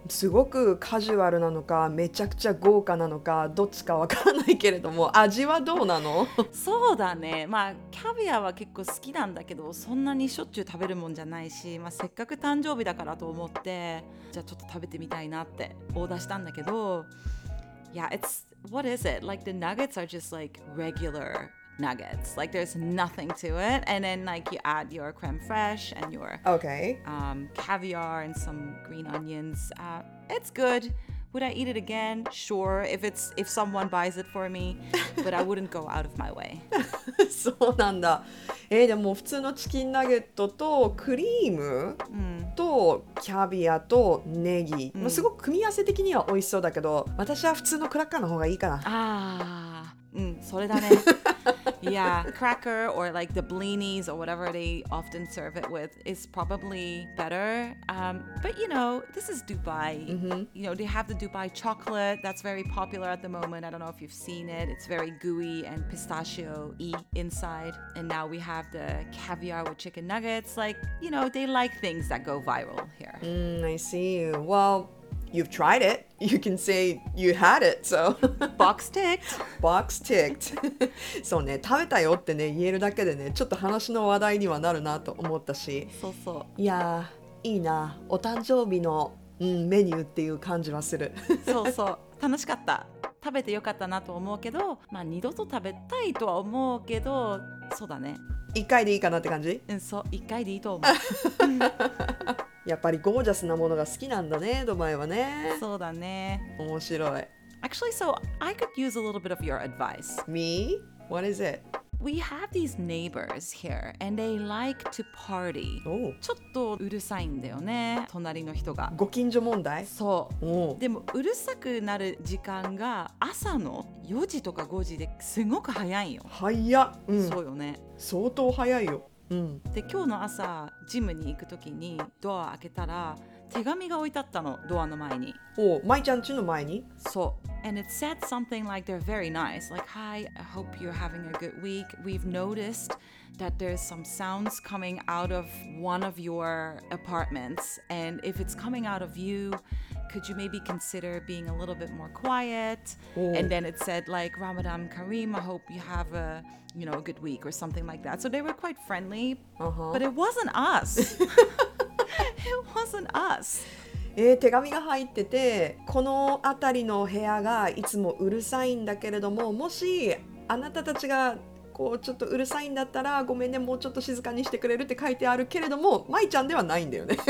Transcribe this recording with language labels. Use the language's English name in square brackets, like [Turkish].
[Japanese] すごくカジュアルなのかめちゃくちゃ豪華なのかどっちかわからないけれども、味はどうなの？そうだね、まあキャビアは結構好きなんだけどそんなにしょっちゅう食べるもんじゃないし、まあ、せっかく誕生日だからと思ってじゃあちょっと食べてみたいなってオーダーしたんだけど、いや、 [English] It's what is it? Like the nuggets are just like regularNuggets, like there's nothing to it, and then like you add your creme fraiche and your okay, caviar and some green onions. It's good. Would I eat it again? Sure, if someone buys it for me, but I wouldn't go out of my way. [Japanese] そうなんだ。でも普通のチキンナゲットとクリームとキャビアとネギ、うん、すごく組み合わせ的には美味しそうだけど、私は普通のクラッカーの方がいいかな。ああ、うん、それだね。 [English] Yeah, cracker or like the blinis or whatever they often serve it with is probably better. But you know, this is Dubai. Mm-hmm. You know, they have the Dubai chocolate that's very popular at the moment. I don't know if you've seen it. It's very gooey and pistachio-y inside. And now we have the caviar with chicken nuggets. Like, you know, they like things that go viral here. I see you. Well... You've tried it. You can say you had it, so. Box ticked. Box ticked. [Japanese] そうね、食べたよってね、言えるだけでね、ちょっと話の話題にはなるなと思ったし。そうそう。いやー、いいな。お誕生日の、うん、メニューっていう感じはする。そうそう。楽しかった。食べてよかったなと思うけど、まあ二度と食べたいとは思うけど、そうだね。一回でいいかなって感じ？うん、そう。一回でいいと思う。やっぱりゴージャスなものが好きなんだね、ドバイはね。そうだね。面白い。 [English] Actually, so I could use a little bit of your advice. Me? What is it? We have these neighbors here, and they like to party. Oh. [Japanese] ちょっとうるさいんだよね、隣の人が。ご近所問題？そう。 Oh. でもうるさくなる時間が朝の4時とか5時ですごく早いよ。早っ。うん。そうよね。相当早いよ。うん、で今日の朝ジムに行くときにドア開けたら手紙が置いてあったの、ドアの前に。おお、マイちゃん家の前に。そう。 [English] And it said something like they're very nice, like hi, I hope you're having a good week. We've noticed that there's some sounds coming out of one of your apartments, and if it's coming out of you, could you maybe consider being a little bit more quiet? Oh. And then it said like Ramadan Kareem, I hope you have a. You know, a good week or something like that. So they were quite friendly,、 uh-huh. but it wasn't us. it wasn't us. [Japanese] 手紙が入ってて、この辺りの部屋がいつもうるさいんだけれども、もしあなたたちがこうちょっとうるさいんだったらごめんね、もうちょっと静かにしてくれるって書いてあるけれども、まいちゃんではないんだよね。